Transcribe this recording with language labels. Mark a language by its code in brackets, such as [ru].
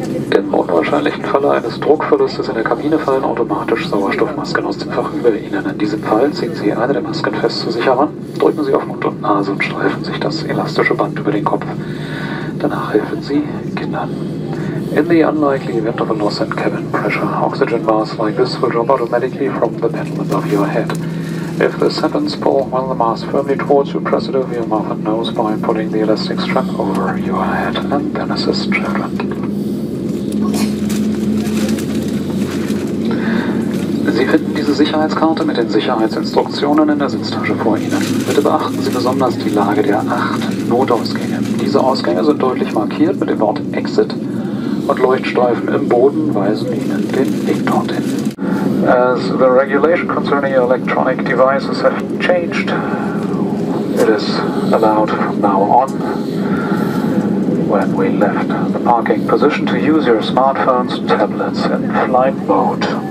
[de] Wahrscheinlichen Falle eines Druckverlustes in der Kabine fallen automatisch Sauerstoffmasken aus dem Fach über Ihnen. In diesem Fall ziehen Sie eine der Masken fest zu sich heran, drücken Sie auf Mund und Nase und streifen sich das elastische Band über den Kopf. Danach helfen Sie Kindern. [en] In the unlikely event of a loss in cabin pressure, oxygen bars like this will drop automatically from the panel above your head. If this happens, pull one of the masks firmly towards you, press it over your mouth and nose by putting the elastic strap over your head and then assist children. [de] Sie finden diese Sicherheitskarte mit den Sicherheitsinstruktionen in der Sitztasche vor Ihnen. Bitte beachten Sie besonders die Lage der 8 Notausgänge. Diese Ausgänge sind deutlich markiert mit dem Wort Exit und Leuchtstreifen im Boden weisen Ihnen den Weg dorthin. [en] As the regulation concerning your electronic devices have changed, it is allowed from now on, when we left the parking position, to use your smartphones, tablets in flight mode.